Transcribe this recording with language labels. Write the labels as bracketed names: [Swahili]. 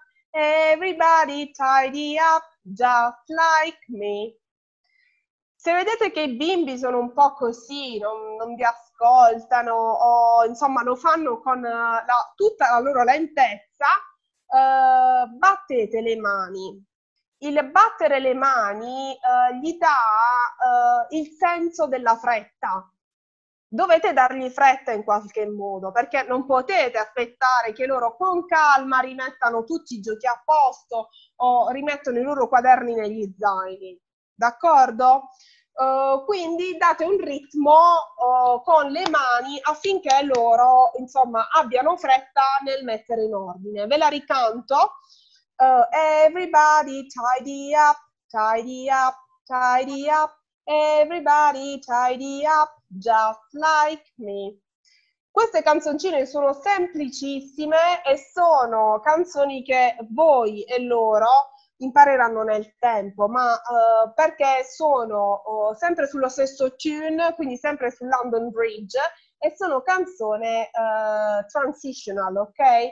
[English] Everybody tidy up just like me. [Italian] Se vedete che i bimbi sono un po' così, non vi ascoltano o insomma lo fanno con tutta la loro lentezza, battete le mani. Il battere le mani gli dà il senso della fretta. Dovete dargli fretta in qualche modo, perché non potete aspettare che loro con calma rimettano tutti i giochi a posto o rimettono i loro quaderni negli zaini, d'accordo? Quindi date un ritmo con le mani affinché loro, insomma, abbiano fretta nel mettere in ordine. Ve la ricanto. [English] Everybody tidy up, tidy up, tidy up. Everybody tidy up just like me. [Italian] Queste canzoncine sono semplicissime e sono canzoni che voi e loro impareranno nel tempo, ma perché sono sempre sullo stesso tune, quindi sempre su London Bridge, e sono canzone transitional, ok?